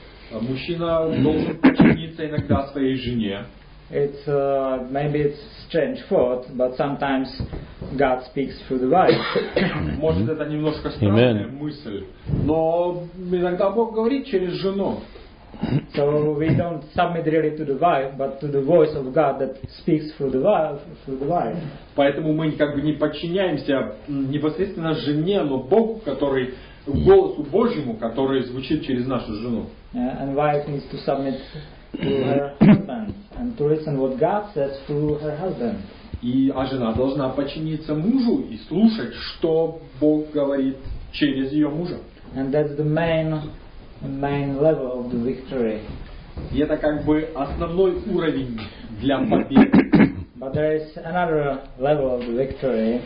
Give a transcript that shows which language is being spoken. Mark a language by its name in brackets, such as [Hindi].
[Russian] Мужчина должен подчиниться иногда своей жене. [English] It's maybe it's strange thought, but sometimes God speaks through the wife. [Russian] Может, это немножко странная мысль, но иногда Бог говорит через жену. [English] So we don't submit really to the wife, but to the voice of God that speaks through the wife. [Russian] Поэтому мы как бы не подчиняемся непосредственно жене, но Богу, который голосу Божьему, который звучит через нашу жену. [English] Yeah, and wife needs to submit to her husband and to listen what God says through her husband. [Russian] И а жена должна подчиниться мужу и слушать, что Бог говорит через ее мужа. [English] And that's the main level of the victory. [Russian] И это как бы основной уровень для победы. [English] But there is another level of the victory.